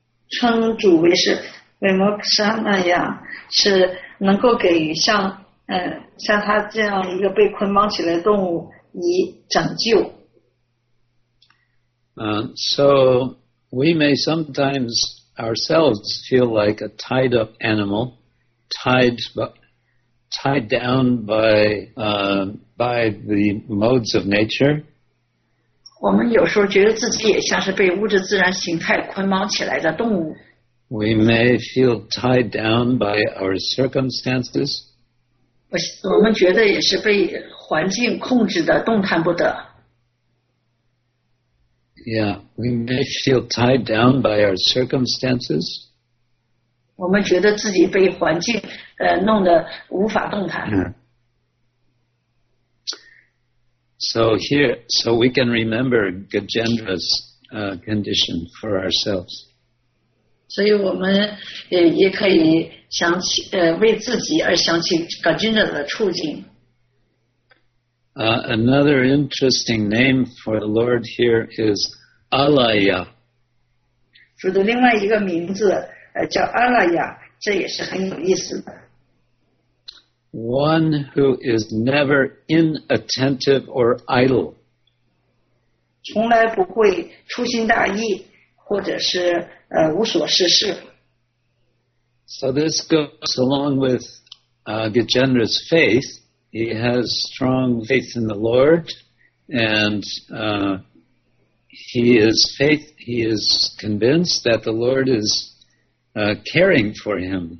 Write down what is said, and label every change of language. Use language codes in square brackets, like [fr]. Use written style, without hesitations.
[zh] 称主为是维摩克沙那亚，是能够给予像他这样一个被捆绑起来的动物以拯救。 [en] So we may sometimes ourselves feel like a tied up animal, tied down by the modes of nature. [zh] 我们有时候觉得自己也像是被物质自然形态捆绑起来的动物。 [en] We may feel tied down by our circumstances. [zh] 我们觉得也是被环境控制的，动弹不得。 [en] Yeah, we may feel tied down by our circumstances. [zh] 我们觉得自己被环境弄得无法动弹。 [en] So we can remember Gajendra's condition for ourselves. [zh] 所以我们也可以想起为自己而想起 Gajendra 的处境。 [en] Another interesting name for the Lord here is Alaya. [zh] 主的另外一个名字叫 Alaya, 这也是很有意思的。 [en] One who is never inattentive or idle. [zh] 从来不会粗心大意或者是无所事事。 [en] So this goes along with Gajendra's faith. He has strong faith in the Lord and he is convinced that the Lord is caring for him.